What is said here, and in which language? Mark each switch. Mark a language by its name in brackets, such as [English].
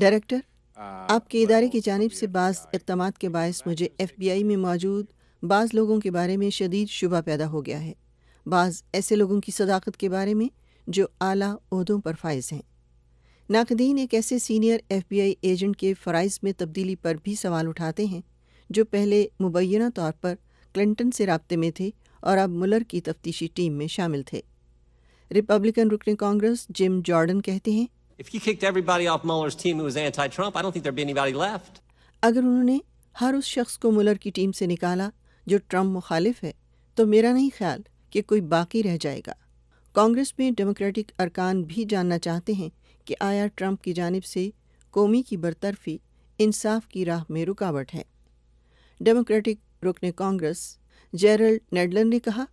[Urdu] Director, آپ کے ادارے کی جانب سے بعض اقدامات کے باعث مجھے ایف بی آئی میں موجود بعض لوگوں کے بارے میں شدید شبہ پیدا ہو گیا ہے، بعض ایسے لوگوں کی صداقت کے بارے میں جو اعلیٰ عہدوں پر فائز ہیں۔ ناقدین ایک ایسے سینئر ایف بی آئی ایجنٹ کے فرائض میں تبدیلی پر بھی سوال اٹھاتے ہیں جو پہلے مبینہ طور پر کلنٹن سے رابطے میں تھے اور اب مولر کی تفتیشی ٹیم میں شامل تھے۔ ریپبلکن رکن کانگریس جم جارڈن کہتے ہیں، [English] If he kicked everybody off Mueller's team who was anti-Trump, I don't think there'd be anybody left. [Urdu] اگر انہوں نے ہر اس شخص کو مولر کی ٹیم سے نکالا جو ٹرمپ مخالف ہے تو میرا نہیں خیال کہ کوئی باقی رہ جائے گا۔ کانگریس میں ڈیموکریٹک ارکان بھی جاننا چاہتے ہیں کہ آیا ٹرمپ کی جانب سے قومی کی برطرفی انصاف کی راہ میں رکاوٹ ہے۔ ڈیموکریٹک رکن کانگریس جیرلڈ نیڈلن نے کہا،